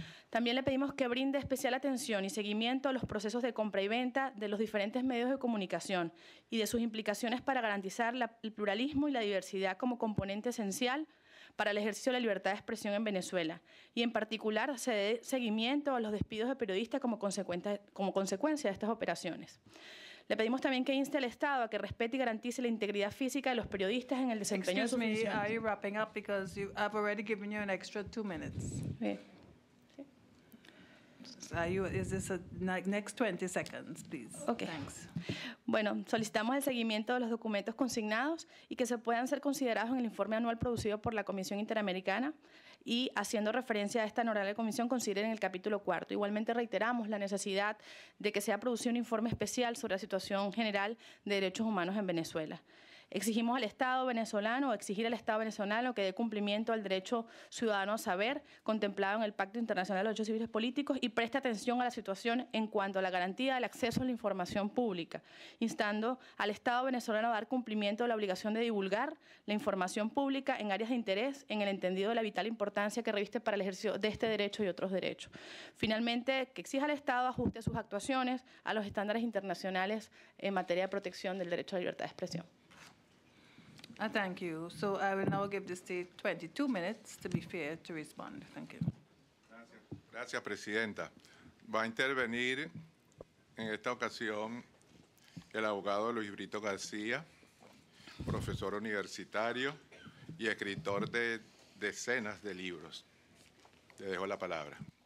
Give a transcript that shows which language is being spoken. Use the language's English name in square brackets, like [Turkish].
[Spanish] También le pedimos que brinde especial atención y seguimiento a los procesos de compra y venta de los diferentes medios de comunicación y de sus implicaciones para garantizar el pluralismo y la diversidad como componente esencial para el ejercicio de la libertad de expresión en Venezuela, y en particular se dé seguimiento a los despidos de periodistas como consecuencia de estas operaciones. Le pedimos también que inste al Estado a que respete y garantice la integridad física de los periodistas en el desempeño de sus funciones. [English] Excuse me, are you wrapping up because I've already given you an extra 2 minutes. [Spanish] Sí. [English] Sí. Next 20 seconds, please. Okay. Thanks. [Spanish] Bueno, solicitamos el seguimiento de los documentos consignados y que se puedan ser considerados en el informe anual producido por la Comisión Interamericana. Y haciendo referencia a esta honorable comisión, consideren el capítulo cuarto. Igualmente reiteramos la necesidad de que sea producido un informe especial sobre la situación general de derechos humanos en Venezuela. Exigimos al Estado venezolano, exigir al Estado venezolano que dé cumplimiento al derecho ciudadano a saber, contemplado en el Pacto Internacional de los Derechos Civiles y Políticos, y preste atención a la situación en cuanto a la garantía del acceso a la información pública, instando al Estado venezolano a dar cumplimiento a la obligación de divulgar la información pública en áreas de interés, en el entendido de la vital importancia que reviste para el ejercicio de este derecho y otros derechos. Finalmente, que exija al Estado ajuste sus actuaciones a los estándares internacionales en materia de protección del derecho a la libertad de expresión. [English] Thank you. So I will now give the state 22 minutes to be fair to respond. Thank you. [Spanish] Gracias, Presidenta. Va a intervenir en esta ocasión el abogado Luis Brito García, profesor universitario y escritor de decenas de libros. Te dejo la palabra.